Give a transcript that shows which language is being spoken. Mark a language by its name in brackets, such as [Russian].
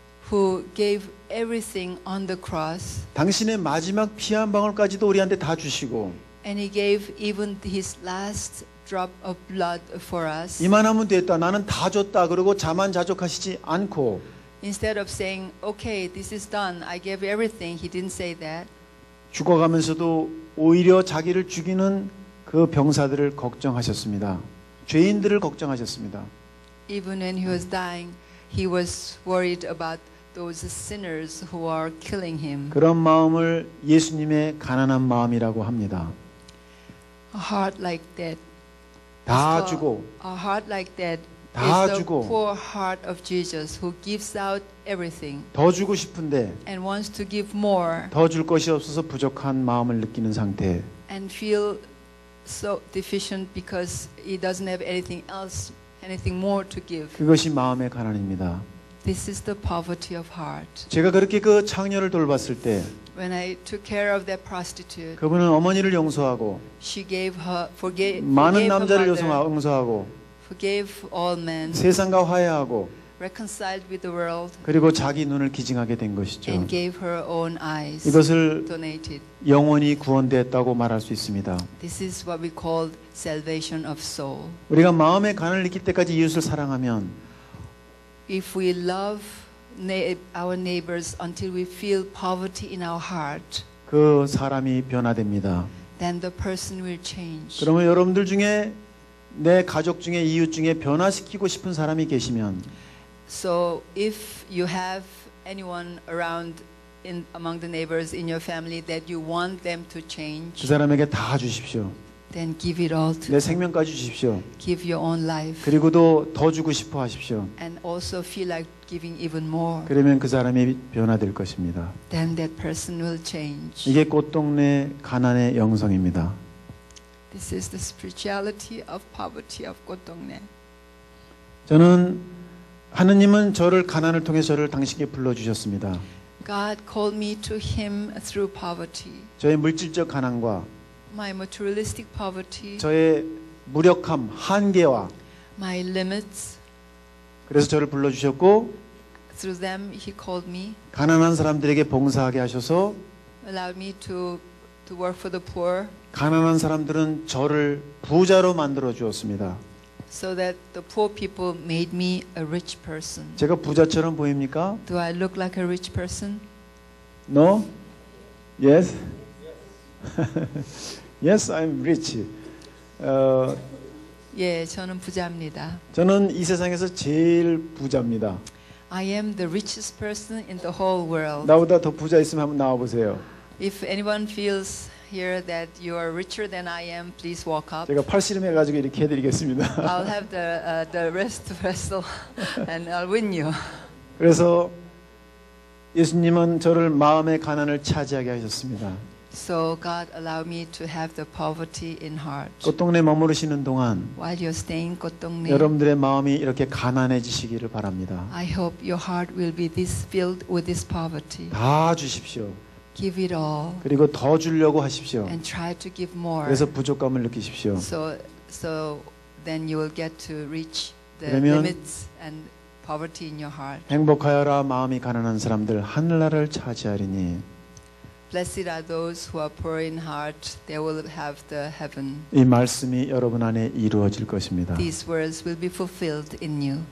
[English] who gave everything on the cross. [Korean] 당신의 마지막 피 한 방울까지도 우리한테 다 주시고 [English] And he gave even his last drop of blood for us. [Korean] 이만하면 됐다. 나는 다 줬다. 그러고 자만자족하시지 않고. [English] Instead of saying, "Okay, this is done. I gave everything." He didn't say that. [Korean] 죽어가면서도 오히려 자기를 죽이는 그 병사들을 걱정하셨습니다. 죄인들을 걱정하셨습니다. [English] Even when he was dying, he was worried about those sinners who are killing him. [Korean] 그런 마음을 예수님의 가난한 마음이라고 합니다. [English] A heart like that. [Korean] 다 주고 [English] a heart like that [Korean] 다 주고 [English] the poor heart of Jesus who gives out everything [Korean] 더 주고 싶은데 [English] and wants to give more [Korean] 더 줄 것이 없어서 부족한 마음을 느끼는 상태 [English] and feel so deficient because he doesn't have anything else anything more to give [Korean] 그것이 마음의 가난입니다. [English] This is the poverty of heart. [Korean] 제가 그렇게 그 창녀를 돌봤을 때 [English] When I took care of that prostitute, [Korean] 그분은 어머니를 용서하고 [English] she gave her, forgave, [Korean] 많은 남자를 용서하고 [English] forgave all men, [Korean] 세상과 화해하고 [English] reconciled with the world, [Korean] 그리고 자기 눈을 기증하게 된 것이죠. [English] And gave her own eyes, [Korean] 이것을 [English] donated. [Korean] 영원히 구원되었다고 말할 수 있습니다. [English] This is what we call salvation of soul. [Korean] 우리가 마음의 간을 느낄 때까지 이웃을 사랑하면 [English] If we love our neighbors until we feel poverty in our heart. [Korean] 그 사람이 변화됩니다. [English] Then the person will change. [Korean] 그러면 여러분들 중에 내 가족 중에 이웃 중에 변화시키고 싶은 사람이 계시면 [English] So if you have anyone around in among the neighbors in your family that you want them to change. [Korean] 그 사람에게 다 주십시오. [English] Then give it all to [Korean] 내 생명까지 주십시오. [English] Give your own life. [Korean] 그리고도 더 주고 싶어 하십시오. [English] And also feel like giving even more. [Korean] 그러면 그 사람이 변화될 것입니다. [English] Then that person will change. [Korean] 이게 꽃동네 가난의 영성입니다. [English] This is the spirituality of poverty of 꽃동네. [Korean] 저는 하느님은 저를 가난을 통해 저를 당신께 불러 주셨습니다. [English] God called me to him through poverty. [Korean] 저의 물질적 가난과 [English] My materialistic poverty, [Korean] 저의 무력함, 한계와 [English] my limits, [Korean] 그래서 저를 불러주셨고 [English] through them he called me, [Korean] 가난한 사람들에게 봉사하게 하셔서 [English] allowed me to to work for the poor. [Korean] 가난한 사람들은 저를 부자로 만들어 주었습니다. [English] So that the poor people made me a rich person. [Korean] 제가 부자처럼 보입니까? [English] Do I look like a rich person? No? Yes? Yes, I'm rich. [Korean] 예, 저는 부자입니다. 저는 이 세상에서 제일 부자입니다. [English] I am the richest person in the whole world. [Korean] 나보다 더 부자 있으면 한번 나와 보세요. [English] If anyone feels here that you are richer than I am, please walk up. [Korean] 제가 팔 씨름해 가지고 이렇게 해 드리겠습니다. [English] I'll have the rest wrestle and I'll win you. [Korean] 그래서 예수님은 저를 마음의 가난을 차지하게 하셨습니다. [English] So God allowed me to have the poverty in heart. [Korean] 꽃동네 머무르시는 동안 [English] While you're staying 꽃동네 [Korean] 여러분들의 마음이 이렇게 가난해지시기를 바랍니다. [English] I hope your heart will be this filled with this poverty. [Korean] 다 주십시오. [English] Give it all. [Korean] 그리고 더 주려고 하십시오. [English] And try to give more. [Korean] 그래서 부족감을 느끼십시오. [English] So then you will get to reach the limits and poverty in your heart. [Korean] 행복하여라 마음이 가난한 사람들 하늘나라를 차지하리니. [English] Blessed are those who are poor in heart. They will have the heaven. [Korean] 이 말씀이 여러분 안에 이루어질 것입니다. [English] These words will be fulfilled in you.